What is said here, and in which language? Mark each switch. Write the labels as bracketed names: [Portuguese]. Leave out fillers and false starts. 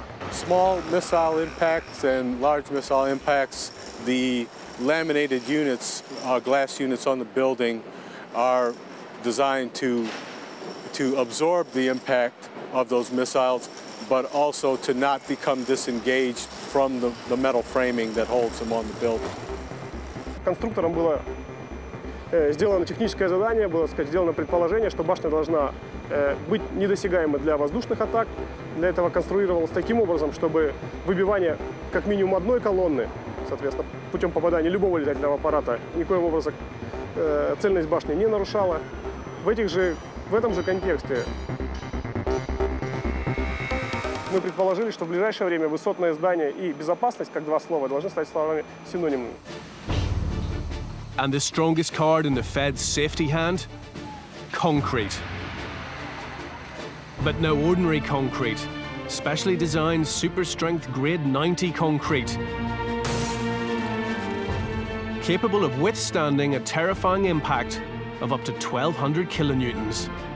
[English] Small missile impacts and large missile impacts, the laminated units, glass units on the building, are designed to absorb the impact of those missiles, but also to not become disengaged from the metal framing that holds them on the building. [Russian] Конструкторам было сделано техническое задание, было сделано предположение, что башня должна быть недосягаемой для воздушных атак. Для этого конструировалось таким образом, чтобы выбивание как минимум одной колонны, соответственно, путем попадания любого летательного аппарата, никоим образом цельность башни не нарушало. В этом же контексте мы предположили, что в ближайшее время высотное здание и безопасность, как два слова, должны стать словами синонимами. [English] And the strongest card in the Fed's safety hand? Concrete. But no ordinary concrete. Specially designed super strength grade 90 concrete. Capable of withstanding a terrifying impact of up to 1200 kilonewtons.